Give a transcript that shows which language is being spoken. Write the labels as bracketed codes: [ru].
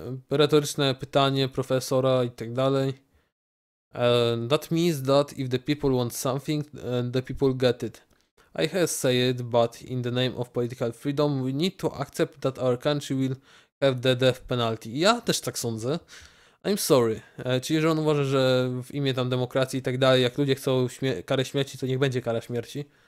[pl] Retoryczne pytanie profesora i tak dalej. [en] That means that if the people want something, the people get it. I have said it, but in the name of political freedom, we need to accept that our country will have the death penalty. [pl] Ja też tak sądzę. [en] I'm sorry. [pl] Czyli, że on uważa, że w imię tam demokracji i tak dalej, jak ludzie chcą karę śmierci, to niech będzie kara śmierci.